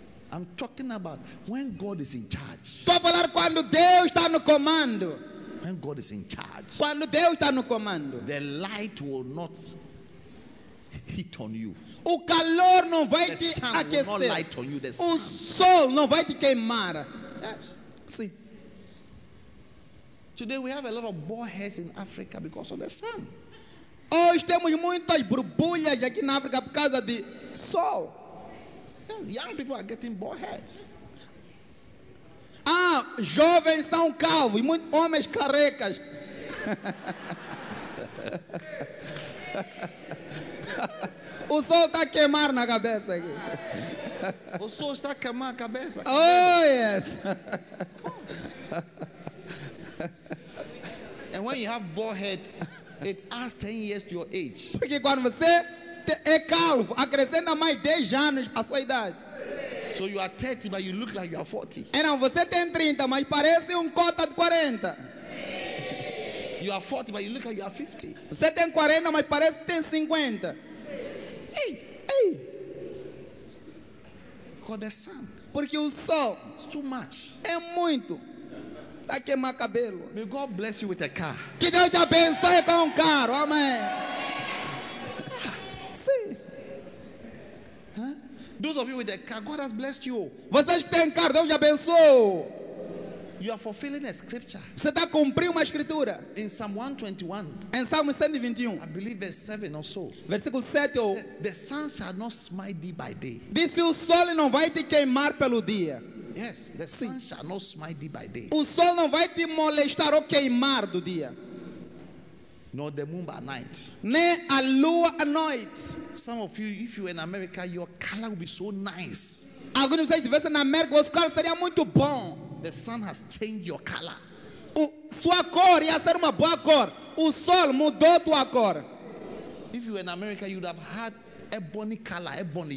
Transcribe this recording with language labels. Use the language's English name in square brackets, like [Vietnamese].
[English] I'm talking about when God is in charge. [Portuguese] Tô falando quando Deus está no comando. [English] When God is in charge. [Portuguese] Quando Deus está no comando. [English] The light will not hit on you. [Portuguese] O calor não vai [English] the [Portuguese] te aquecer. [English] Will not light on you, the [Portuguese] o [English] sun. [Portuguese] Sol não vai te queimar. [English] Yes. [Portuguese] Sim. [English] Today we have a lot of bald heads in Africa because of the sun. [Portuguese] Hoje temos muitas borbulhas aqui na África por causa do sol. [English] Young people are getting bald heads. [Portuguese] Ah, jovens são calvos e muitos homens carecas. O sol está a queimar na cabeça aqui. O sol está a queimar a cabeça. [English] Oh, yes. And when you have bald head, it adds 10 years to your age. [Portuguese] Porque quando você é calvo, acrescenta mais 10 anos à sua idade. [English] So you are 30, but you look like you are 40. [Portuguese] Então você tem 30, mas parece cota de 40. [English] You are 40, but you look like you are 50. [Portuguese] Você tem 40, mas parece tem 50. Hey, hey. [English] God the sun. [Portuguese] Porque o sol. [English] It's too much. [Portuguese] É muito. Tá queimar cabelo. [English] May God bless you with a car. [Portuguese] Que Deus te abençoe com carro. Amém. [English] Those of you with a car, God has blessed you. [Portuguese] Vocês que têm carro, Deus te abençoou. [English] You are fulfilling a scripture. [Portuguese] Você está cumprindo uma escritura. [English] In Psalm 121. [Portuguese] Em Salmo 121. [English] I believe verse 7 or so. [Portuguese] Versículo 7 ou. [English] The sun shall not smite thee by day. [Portuguese] Diz o sol não vai te queimar pelo dia. [English] Yes, the sun shall not smite thee by day. [Portuguese] O sol não vai te molestar ou queimar do dia. [English] Nor the moon by night. [Portuguese] Nem a lua à noite. [English] Some of you, if you were in America, your color would be so nice. [Portuguese] Alguns de vocês estivessem na América, os caras seria muito bom. [English] The sun has changed your color. [Portuguese] Sua cor ia ser uma boa cor. O sol mudou tua cor. [English] If you were in America, you'd have had ebony color, ebony.